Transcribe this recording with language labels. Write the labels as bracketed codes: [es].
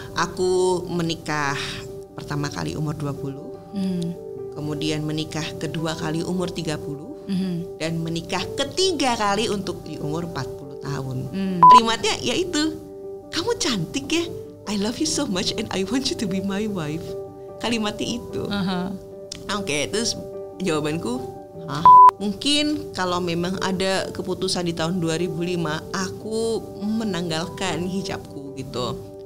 [id] aku menikah pertama kali umur 20, kemudian menikah kedua kali umur 30, dan menikah ketiga kali untuk di umur 40 tahun. Kalimatnya yaitu, kamu cantik ya, [en] I love you so much and I want you to be my wife. [id] Kalimatnya itu. Oke, terus jawabanku, mungkin kalau memang ada keputusan di tahun 2005, aku menanggalkan hijabku gitu.